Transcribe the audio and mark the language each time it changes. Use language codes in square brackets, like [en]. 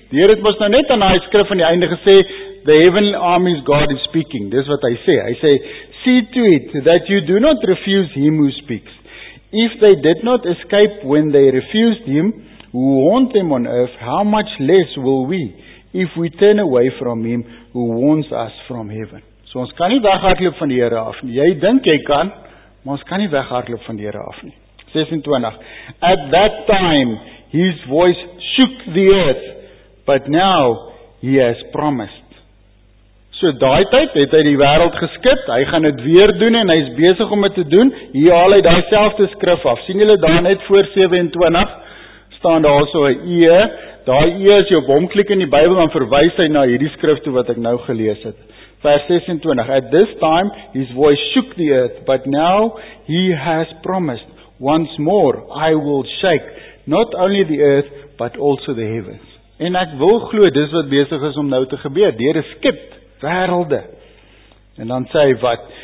[af] Die Here het mos nou net aan daai skrif aan die einde gesê, [en] "The heaven armies God is speaking." [af] Dis wat hy sê. Hy sê, [en] "See to it that you do not refuse him who speaks. If they did not escape when they refused him who warned them on earth, how much less will we if we turn away from him who warns us from heaven?" [af] So ons kan nie weghardloop van die Here af nie. Jy dink jy kan, maar ons kan nie weghardloop van die Here af nie. 26. [en] At that time his voice shook the earth, but now he has promised. [af] So daai tyd het hy die wêreld geskud, hy gaan dit weer doen en hy's besig om dit te doen. Hier haal hy daai selfde skrif af. Sien julle daar net voor 27 staan daar so 'n E. Daai E as jy op hom klik in die Bybel dan verwys hy na hierdie skrif toe wat ek nou gelees het. Vers 26. [en] At this time his voice shook the earth, but now he has promised. Once more I will shake not only the earth but also the heavens. [af] En ek wil glo dis wat besig is om nou te gebeur. Die Here skep wêrelde. En dan sê hy wat?